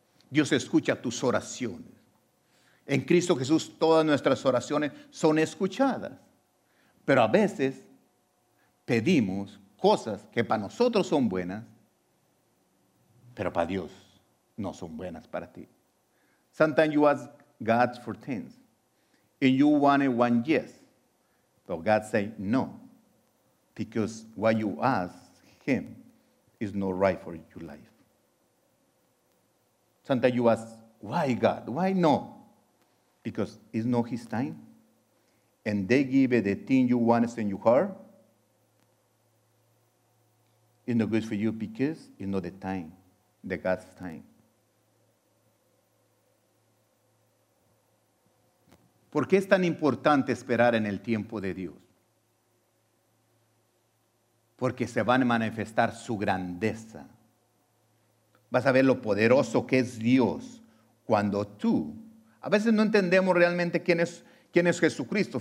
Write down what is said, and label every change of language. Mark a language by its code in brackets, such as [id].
[es] Dios escucha tus oraciones. En Cristo Jesús todas nuestras oraciones son escuchadas. Pero a veces pedimos cosas que para nosotros son buenas, pero para Dios no son buenas para ti. [en] Sometimes you ask God for things, and you wanted one yes, but God said no, because what you ask Him is not right for your life. Sometimes you ask, why God? Why no? Because it's not His time, and they give the thing you want in your heart, it's not good for you because it's not the time, the God's time. [es] ¿Por qué es tan importante esperar en el tiempo de Dios? Porque se va a manifestar su grandeza. Vas a ver lo poderoso que es Dios cuando tú, a veces no entendemos realmente quién es Jesucristo.